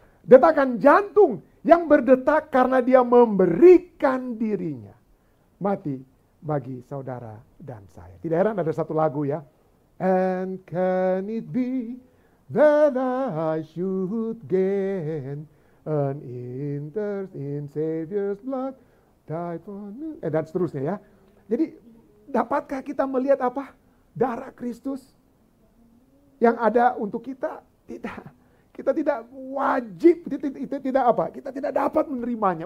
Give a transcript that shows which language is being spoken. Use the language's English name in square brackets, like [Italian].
[Indonesian] Detakan jantung yang berdetak karena dia memberikan dirinya. Mati bagi saudara dan saya. Tidak heran ada satu lagu ya. [English] And can it be that I should gain an interest in Savior's blood, died for me, [Indonesian] dan seterusnya ya. Jadi, dapatkah kita melihat apa? Darah Kristus yang ada untuk kita? Tidak. Kita tidak wajib, tidak apa? Kita tidak dapat menerimanya.